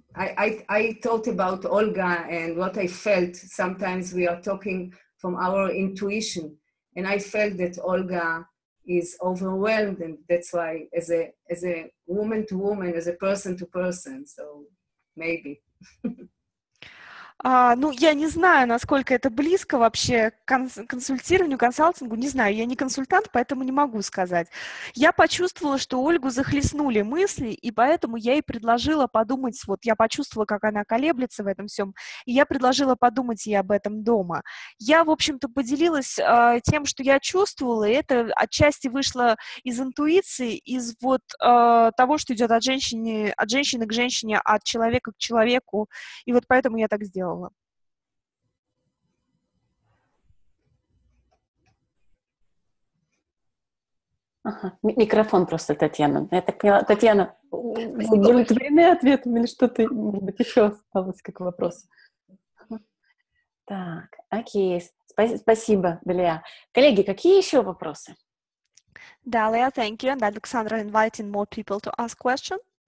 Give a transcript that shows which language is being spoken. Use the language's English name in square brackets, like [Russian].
[English] I thought about Olga and what I felt. Sometimes we are talking from our intuition, and I felt that Olga is overwhelmed, and that's why as a woman to woman, as a person to person, so maybe. [Russian] Ну, я не знаю, насколько это близко вообще к консультированию, консалтингу, не знаю, я не консультант, поэтому не могу сказать. Я почувствовала, что Ольгу захлестнули мысли, и поэтому я ей предложила подумать, вот я почувствовала, как она колеблется в этом всем, и я предложила подумать ей об этом дома. Я, в общем-то, поделилась тем, что я чувствовала, и это отчасти вышло из интуиции, из вот того, что идет от женщины к женщине, от человека к человеку, и вот поэтому я так сделала. Ага, микрофон просто, Татьяна. Я так поняла, Татьяна, удовлетворены ответами или что-то, может быть, еще осталось как вопрос? Так, окей, спасибо, Далия. Коллеги, какие еще вопросы? [English] Далия, thank you, and Alexandra inviting more people to ask questions.